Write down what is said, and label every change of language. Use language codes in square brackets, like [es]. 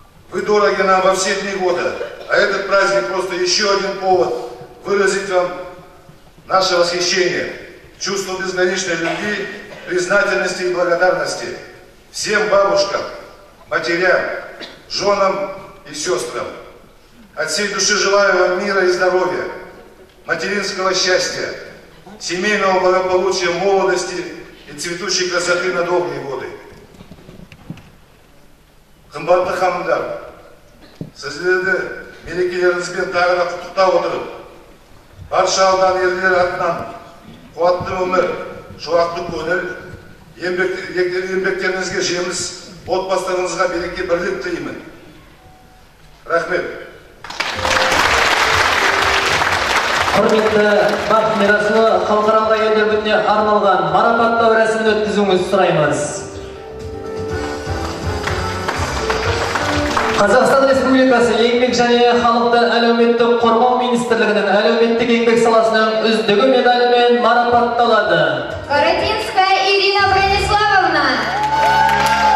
[ru] Вы дороги нам во все дни года, а этот праздник просто еще один повод выразить вам наше восхищение, чувство безграничной любви, признательности и благодарности всем бабушкам, матерям, женам и сестрам. От всей души желаю вам мира и здоровья, материнского счастья, семейного благополучия, молодости и цветущей красоты на долгие годы. [kk] Қымбатты ханымдар, сіздерді мерекелеріңізбен тағы да құттықтап отырып, барша алдан ерлер атынан қуатты өмір, шуақты көңіл, еңбектеріңізге жеміс, отбасыларыңызға береке бірлік тілеймін. Рахмет. Құрметті Бақыт Мирасұлы, халықаралық әйелдер күніне арналған марапаттау рәсімін өткізуіңізді сұраймыз. Қазақстан Республикасы Еңбек және халықты әлеуметтік қорғау министрлігінің әлеуметтік еңбек саласының үздігі медалімен марапатталады. Каратинская Ирина Брониславовна.